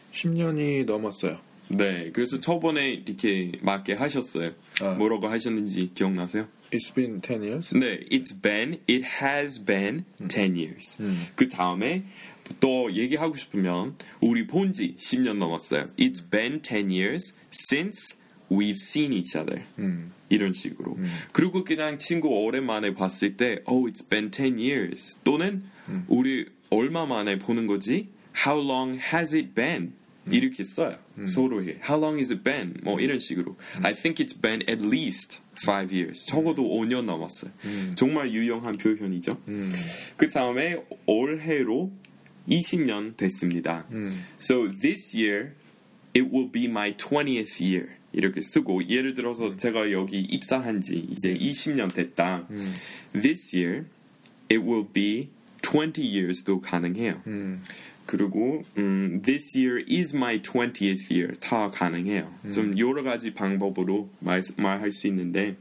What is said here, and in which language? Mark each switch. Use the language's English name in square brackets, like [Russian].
[Korean] 10년이 넘었어요. 네, 그래서 저번에 이렇게 맞게 하셨어요. 아. 뭐라고 하셨는지 기억나세요? [English] It's been 10 years? 네, it's been, it has been 10 years. [Korean] 그 다음에 또 얘기하고 싶으면 우리 본 지 10년 넘었어요. [English] It's been 10 years since we've seen each other. [Korean] 이런 식으로. 그리고 그냥 친구 오랜만에 봤을 때 [English] Oh, it's been 10 years. [Korean] 또는 우리 얼마 만에 보는 거지? [English] How long has it been? [Korean] 이렇게 써요. 서로에. [English] How long has it been? [Korean] 뭐 이런 식으로. [English] I think it's been at least 5 years. [Korean] 적어도 5년 넘었어요. 정말 유용한 표현이죠. 그 다음에 올해로 20년 됐습니다. [English] So this year, it will be my 20th year. [Korean] 이렇게 쓰고 예를 들어서 제가 여기 입사한 지 이제 20년 됐다. [English] This year, it will be 20 years도 [Korean] 가능해요. 그리고 [English] this year is my 20th year [Korean] 다 가능해요. 좀 여러 가지 방법으로 말할 수 있는데